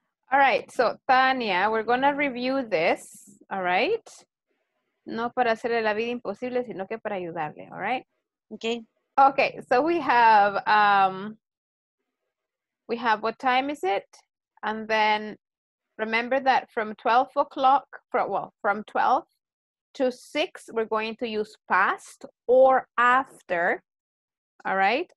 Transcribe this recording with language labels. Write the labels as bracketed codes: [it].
[en] All right, so Tania, we're going to review this, all right? [es] No para hacerle la vida imposible, sino que para ayudarle, all right? [en] Okay. Okay, so we have what time is it? And then remember that from 12 o'clock, from 12 to 6, we're going to use past or after, all right?